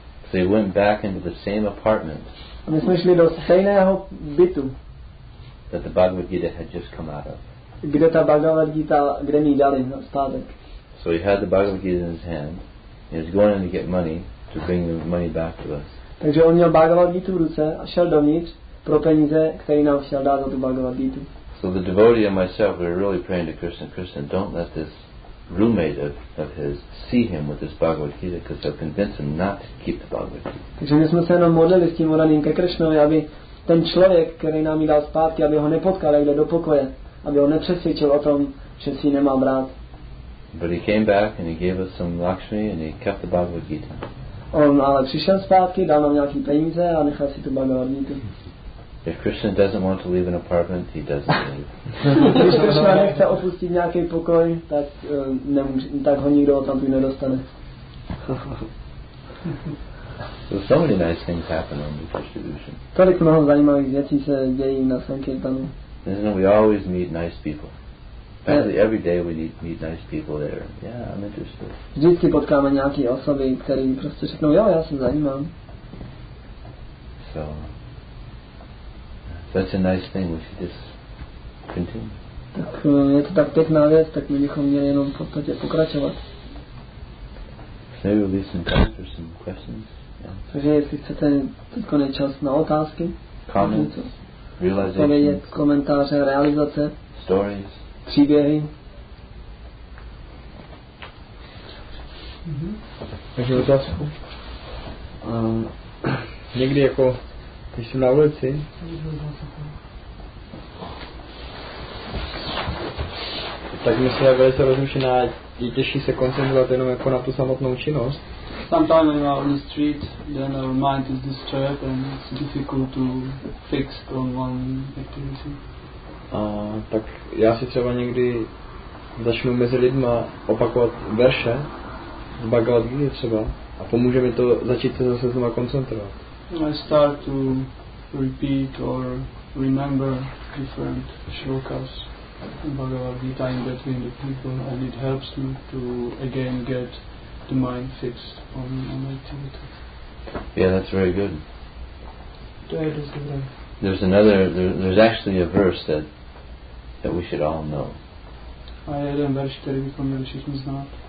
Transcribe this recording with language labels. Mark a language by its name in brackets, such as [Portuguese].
[English] So he went back into the same apartment. [Czech] A my jsme šli do stejného bytu. [English] That the Bhagavad Gita had just come out of. [Czech] Kde ta Bhagavad Gita, kde mi dali na stádek. [English] So he had the Bhagavad Gita in his hand. He was going in to get money to bring the money back to us. [Czech] Takže on měl Bhagavad Gita v ruce a šel dovnitř pro peníze, které nám chtěl dát za tu Bhagavad Gita. [English] So the devotee and myself were really praying to Krishna, don't let this roommate of his see him with this Bhagavad Gita, because they'll convince him not to keep the Bhagavad Gita. [Czech] Takže my jsme se jenom modlili s tím oraním ke Krishnovi, aby ten člověk, který nám ji dal zpátky, aby ho nepotkal, jak jde do pokoje, aby ho nepřesvědčil o tom, že si ji nemá brát. [English] But he came back and he gave us some Lakshmi and he kept the Bhagavad Gita. [Czech] On ale přišel zpátky, dal nám nějaký peníze a nechal si tu Bhagavad Gita. [English] If Krishna doesn't want to leave an apartment, he doesn't leave. [Czech] Když Krishna nechce opustit nějaký pokoj, tak tak ho nikdo tam tu nedostane. [English] So, so many nice things happen on the distribution. [Czech] Tolik mnoho zajímavých věcí se dějí na sankirtanu. [English] We always meet nice people. Actually, every day we meet nice people there. Yeah, I'm interested. [Czech] Vždycky potkáme nějaký osoby, který prostě řeknou, jo, já se zajímám. [English] So, that's a nice thing. We should just continue. [Czech] Tak je to tak pěkná věc, tak my bychom měli jenom v podstatě pokračovat. [English] Maybe we'll leave some time for some questions. Yeah. [Czech] Takže jestli chcete teďko nejčas na otázky, [English] comments, realizations, [Czech] povědět komentáře, realizace, [English] stories, [Czech] příběhy. Takže otázku. Někdy jako, když jsem na ulici, tak myslím, že je velice rozlušená, je těžší se koncentrovat jenom jako na tu samotnou činnost. [English] Sometimes when we are on the street, then our mind is disturbed and it's difficult to fix on one activity. [Czech] Tak já si třeba někdy začnu mezi lidma opakovat verše z Bhagavad Gita třeba a pomůže mi to začít se zase znovu koncentrovat. [English] I start to repeat or remember different shlokas in Bhagavad Gita in between the people and it helps me to again get the mind fixed on my activity. Yeah, that's very good. There's actually a verse that we should all know. [Czech] A jeden verš, který bychom měli všichni znát.